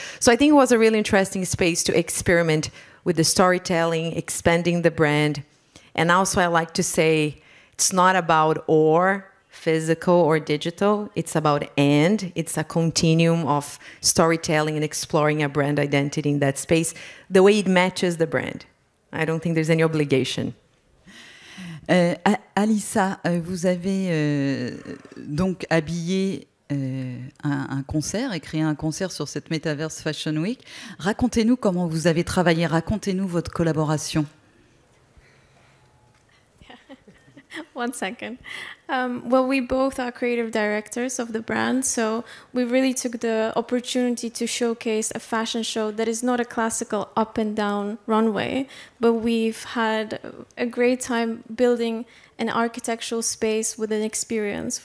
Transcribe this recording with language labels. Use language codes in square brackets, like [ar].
[en] So I think it was a really interesting space to experiment with the storytelling, expanding the brand. And also I like to say it's not about or physical or digital, it's about and. It's a continuum of storytelling and exploring a brand identity in that space, the way it matches the brand. I don't think there's any obligation. [fr] Alissa, vous avez donc habillé un concert et créé un concert sur cette Metaverse Fashion Week. Racontez-nous comment vous avez travaillé, racontez-nous votre collaboration. [en] One second. Well, we both are creative directors of the brand, so we really took the opportunity to showcase a fashion show that is not a classical up and down runway, but we've had a great time building an architectural space with an experience.